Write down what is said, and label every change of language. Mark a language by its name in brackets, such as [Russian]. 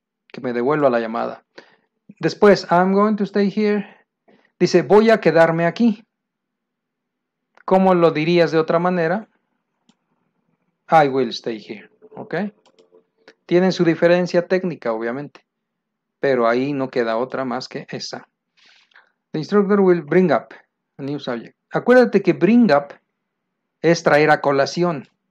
[Spanish] Que me devuelva la llamada. Después, [English] I'm going to stay here. [Spanish] Dice, voy a quedarme aquí. ¿Cómo lo dirías de otra manera? [English] I will stay here. [Spanish] ¿Ok? Tienen su diferencia técnica, obviamente. Pero ahí no queda otra más que esa. [English] The instructor will bring up a new subject. [Spanish] Acuérdate que bring up es traer a colación.